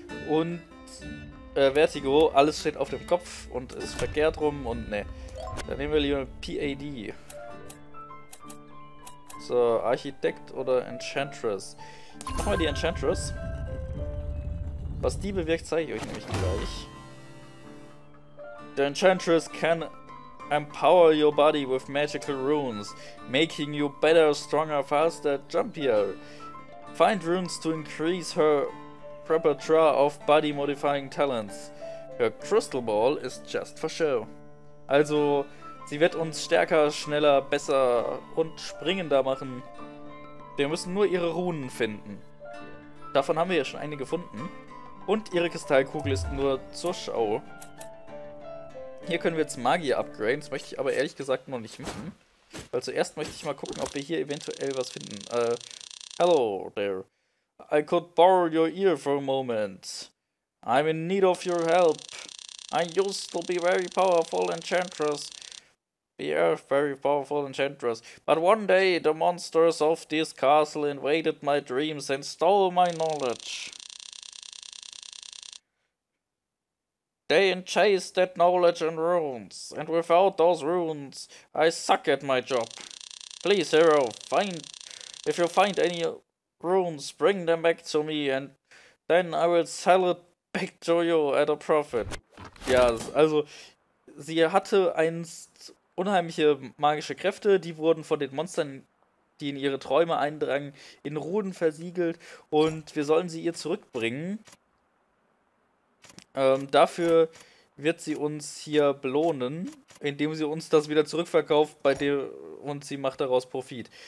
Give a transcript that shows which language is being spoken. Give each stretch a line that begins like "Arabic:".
German: Und Vertigo, alles steht auf dem Kopf und ist verkehrt rum und ne. Dann nehmen wir lieber PAD. So, Architekt oder Enchantress. Ich mach mal die Enchantress. Was die bewirkt, zeige ich euch nämlich gleich.
English: The Enchantress can empower your body with magical runes, making you better, stronger, faster, jumpier. Find runes to increase her repertoire of body modifying talents. Her crystal ball is just for show.
German: Also, sie wird uns stärker, schneller, besser und springender machen. Wir müssen nur ihre Runen finden. Davon haben wir ja schon eine gefunden. Und ihre Kristallkugel ist nur zur Schau. Hier können wir jetzt Magier upgraden. Das möchte ich aber ehrlich gesagt noch nicht machen. Weil zuerst möchte ich mal gucken, ob wir hier eventuell was finden.
English: Hello there. I could borrow your ear for a moment. I'm in need of your help. I used to be very powerful enchantress. We are very powerful enchantress. But one day, the monsters of this castle invaded my dreams and stole my knowledge. They enchased that knowledge and runes. And without those runes, I suck at my job. Please, hero, if you find any runes, bring them back to me and then I will sell it back to you at a profit.
German: Ja, also, sie hatte einst unheimliche magische Kräfte, die wurden von den Monstern, die in ihre Träume eindrangen, in Runen versiegelt und wir sollen sie ihr zurückbringen. Dafür wird sie uns hier belohnen, indem sie uns das wieder zurückverkauft bei dir und sie macht daraus Profit.